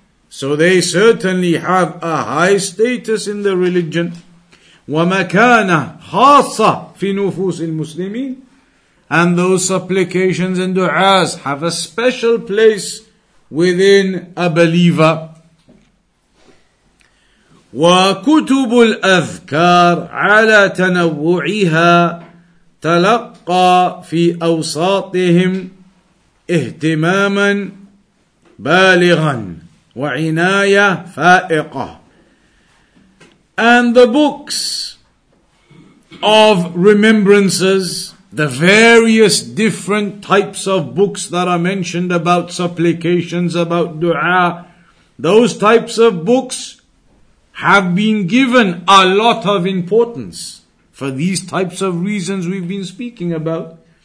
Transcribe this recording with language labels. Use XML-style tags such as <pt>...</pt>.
<en>So they certainly have a high status in the religion.</en> <ar>وَمَكَانَ خَاصَ فِي نُفُوسِ الْمُسْلِمِينَ.</ar> <en>And those supplications and du'as have a special place within a believer.</en> <ar>وكتب الأذكار على تنوعها تلقى في أوساطهم اهتماما بالغا وعناية فائقة.</ar> <en>And the books of remembrances, the various different types of books that are mentioned about supplications, about dua, those types of books have been given a lot of importance for these types of reasons we've been speaking about.</en>